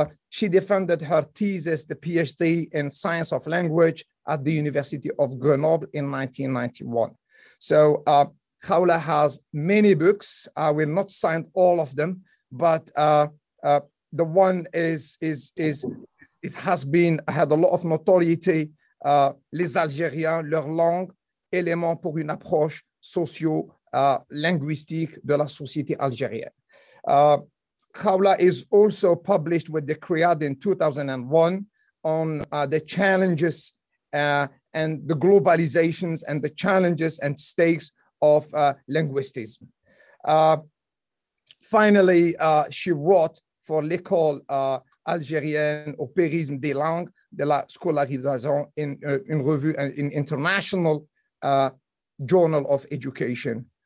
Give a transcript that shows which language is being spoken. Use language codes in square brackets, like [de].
[en] She defended her thesis, the PhD in science of language, at the University of Grenoble in 1991. So Khawla has many books. I will not cite all of them, but the one is it has been had a lot of notoriety. [fr] Les Algériens, leur langue, éléments pour une approche socio-linguistique de la société algérienne. [en] Khawla is also published with the CREAD in 2001 on the challenges and the globalizations and the challenges and stakes of linguistics. Finally, she wrote for [fr] l'école algérienne au périsme des langues de la scolarisation [en] in [fr] une revue [en] in International Journal of Education.